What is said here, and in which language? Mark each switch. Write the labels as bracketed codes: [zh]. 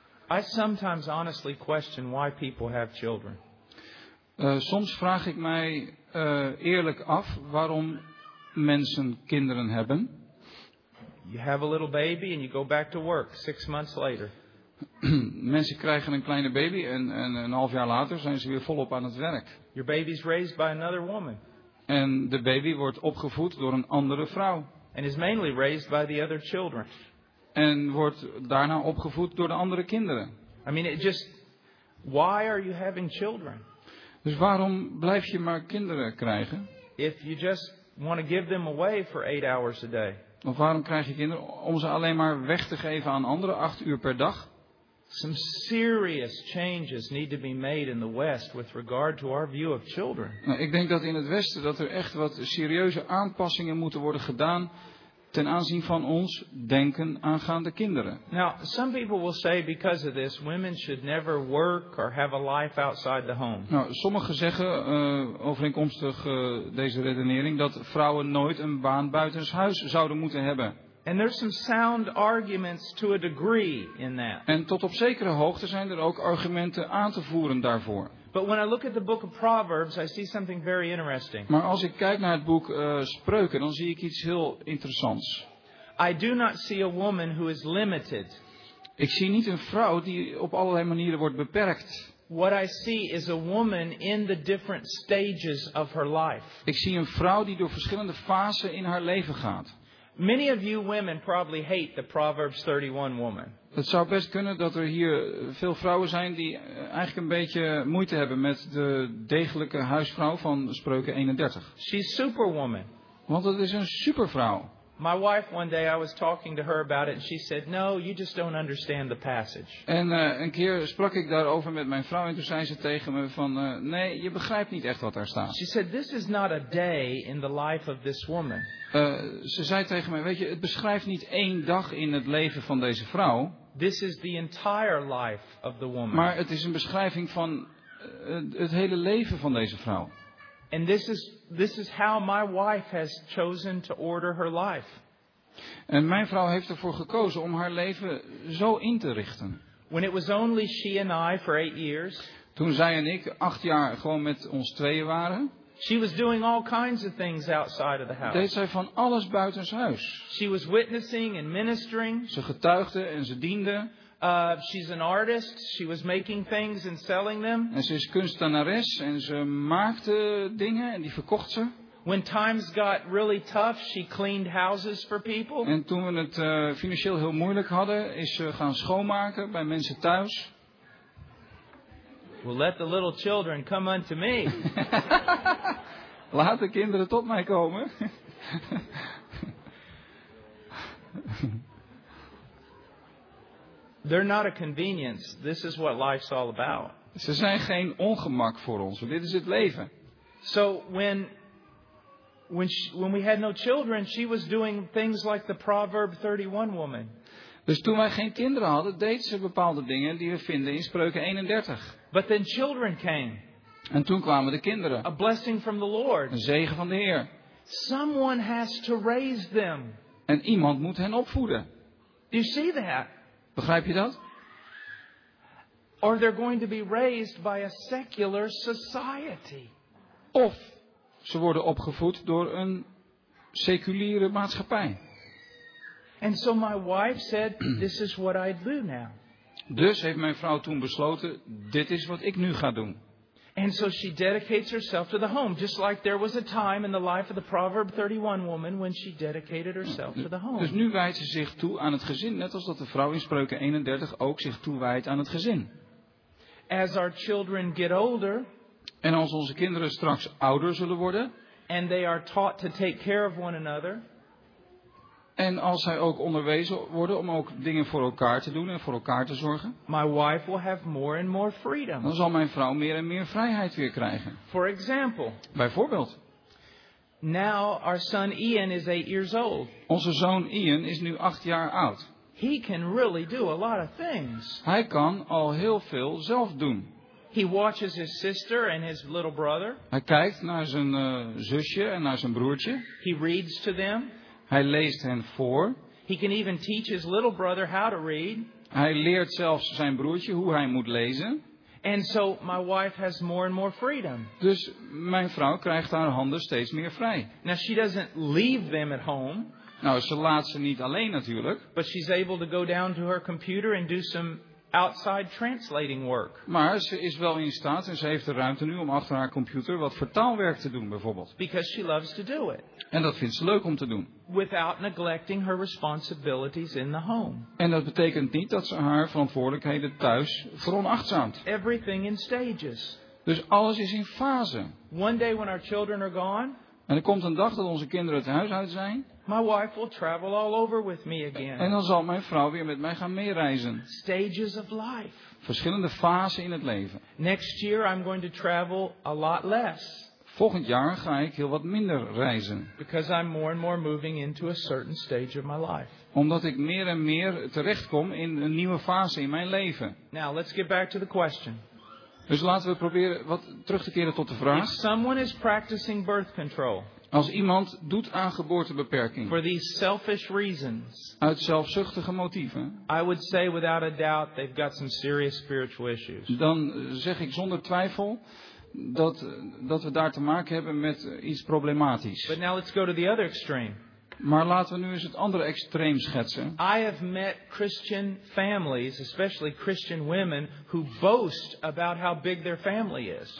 [en] I sometimes honestly question why people have children. [nl] Soms vraag ik mij eerlijk af waarom mensen kinderen hebben. [en] You have a little baby and you go back to work 6 months later. [nl] Mensen krijgen een kleine baby en een half jaar later zijn ze weer volop aan het werk. [en] Your baby's raised by another woman. [nl] En de baby wordt opgevoed door een andere vrouw. [en] And is mainly raised by the other children. [nl] En wordt daarna opgevoed door de andere kinderen. [en] I mean, why are you having children? [nl] Dus waarom blijf je maar kinderen krijgen? [en] If you just want to give them away for 8 hours a day. [nl] Of waarom krijg je kinderen om ze alleen maar weg te geven aan anderen 8 uur per dag? [en] Some serious changes need to be made in the West with regard to our view of children. [nl] Nou, ik denk dat in het Westen dat er echt wat serieuze aanpassingen moeten worden gedaan ten aanzien van ons denken aangaande kinderen. [en] Now, some people will say because of this, women should never work or have a life outside the home. [nl] Nou, sommigen zeggen overeenkomstig deze redenering dat vrouwen nooit een baan buitenshuis zouden moeten hebben. [en] And there's some sound arguments to a degree in that. [nl] En tot op zekere hoogte zijn er ook argumenten aan te voeren daarvoor. [en] But when I look at the book of Proverbs, I see something very interesting. [nl] Maar als ik kijk naar het boek Spreuken, dan zie ik iets heel interessants. [en] I do not see a woman who is limited. [nl] Ik zie niet een vrouw die op allerlei manieren wordt beperkt. [en] What I see is a woman in the different stages of her life. [nl] Ik zie een vrouw die door verschillende fasen in haar leven gaat. [en] Many of you women probably hate the Proverbs 31 woman. [nl] Het zou best kunnen dat er hier veel vrouwen zijn die eigenlijk een beetje moeite hebben met de degelijke huisvrouw van Spreuken 31. [en] She's superwoman. [nl] Want het is een supervrouw. [en] My wife one day I was talking to her about it and she said, "No, you just don't understand the passage." [nl] En een keer sprak ik daarover met mijn vrouw en toen zei ze tegen me van nee, je begrijpt niet echt wat daar staat. [en] She said, "This is not a day in the life of this woman." [nl] Ze zei tegen mij, weet je, het beschrijft niet één dag in het leven van deze vrouw. [en] This is the entire life of the woman. [nl] Maar het is een beschrijving van het hele leven van deze vrouw. [en] And this is how my wife has chosen to order her life. [nl] En mijn vrouw heeft ervoor gekozen om haar leven zo in te richten. [en] When it was only she and I for 8 years. [nl] Toen zij en ik 8 jaar gewoon met ons tweeën waren. [en] She was doing all kinds of things outside of the house. [nl] Deed zij van alles buitenshuis. [en] She was witnessing and ministering. [nl] Ze getuigde en ze diende. [en] She's an artist. She was making things and selling them. [nl] En ze is kunstenares en ze maakte dingen en die verkocht ze. [en] When times got really tough, she cleaned houses for people. [nl] En toen we het financieel heel moeilijk hadden, is ze gaan schoonmaken bij mensen thuis. [en] Well, let the little children come unto me. [nl] Laat de kinderen tot mij komen. [en] They're not a convenience. This is what life's all about. [nl] Ze zijn geen ongemak voor ons. Dit is het leven. [en] So when we had no children, she was doing things like the Proverb 31 woman. [nl] Dus toen wij geen kinderen hadden, deed ze bepaalde dingen die we vinden in Spreuken 31. [en] But then children came. [nl] En toen kwamen de kinderen. [en] A blessing from the Lord. [nl] Een zegen van de Heer. [en] Someone has to raise them. [nl] En iemand moet hen opvoeden. [en] You see that? [nl] Begrijp je dat? [en] Or they're going to be raised by a secular society. [nl] Of ze worden opgevoed door een seculiere maatschappij. [en] And so my wife said, "This is what I do now." [nl] Dus heeft mijn vrouw toen besloten, dit is wat ik nu ga doen. [en] And so she dedicates herself to the home, just like there was a time in the life of the Proverb 31 woman when she dedicated herself to the home. [nl] Dus nu wijdt ze zich toe aan het gezin, net als dat de vrouw in Spreuken 31 ook zich toewijdt aan het gezin. [en] As our children get older, [nl] en als onze kinderen straks ouder zullen worden, [en] and they are taught to take care of one another. [nl] En als zij ook onderwezen worden om ook dingen voor elkaar te doen en voor elkaar te zorgen. [en] My wife will have more and more freedom. [nl] Dan zal mijn vrouw meer en meer vrijheid weer krijgen. [en] For example. [nl] Bijvoorbeeld. [en] Now our son Ian is 8 years old. [nl] Onze zoon Ian is nu 8 jaar oud. [en] He can really do a lot of things. [nl] Hij kan al heel veel zelf doen. [en] He watches his sister and his little brother. [nl] Hij kijkt naar zijn zusje en naar zijn broertje. [en] He reads to them. [nl] Hij leest hen voor. [en] He can even teach his little brother how to read. [nl] Hij leert zelfs zijn broertje hoe hij moet lezen. [en] And so my wife has more and more freedom. [nl] Dus mijn vrouw krijgt haar handen steeds meer vrij. [en] Now she doesn't leave them at home. [nl] Nou, ze laat ze niet alleen natuurlijk. [en] But she's able to go down to her computer and do some outside translating work. [nl] Maar ze is wel in staat en ze heeft de ruimte nu om achter haar computer wat vertaalwerk te doen bijvoorbeeld. [en] Because she loves to do it. [nl] En dat vindt ze leuk om te doen. [en] Without neglecting her responsibilities in the home. [nl] En dat betekent niet dat ze haar verantwoordelijkheden thuis veronachtzaamt. [en] Everything in stages. [nl] Dus alles is in fase. [en] One day when our children are gone. [nl] En er komt een dag dat onze kinderen het huis uit zijn. [en] My wife will travel all over with me again. [nl] En dan zal mijn vrouw weer met mij gaan meereizen. [en] Stages of life. [nl] Verschillende fasen in het leven. [en] Next year I'm going to travel a lot less. [nl] Volgend jaar ga ik heel wat minder reizen. [en] Because I'm more and more moving into a certain stage of my life. [nl] Omdat ik meer en meer terechtkom in een nieuwe fase in mijn leven. [en] Now let's get back to the question. [nl] Dus laten we proberen wat terug te keren tot de vraag. [en] If someone is practicing birth control. [nl] Als iemand doet aan geboortebeperking. [en] For these selfish reasons. [nl] Uit zelfzuchtige motieven. [en] I would say without a doubt they've got some serious spiritual issues. [nl] Dan zeg ik zonder twijfel dat we daar te maken hebben met iets problematisch. [en] But now let's go to the other extreme. [nl] Maar laten we nu eens het andere extreem schetsen. [en] I have met Christian families, especially Christian women, who boast about how big their family is.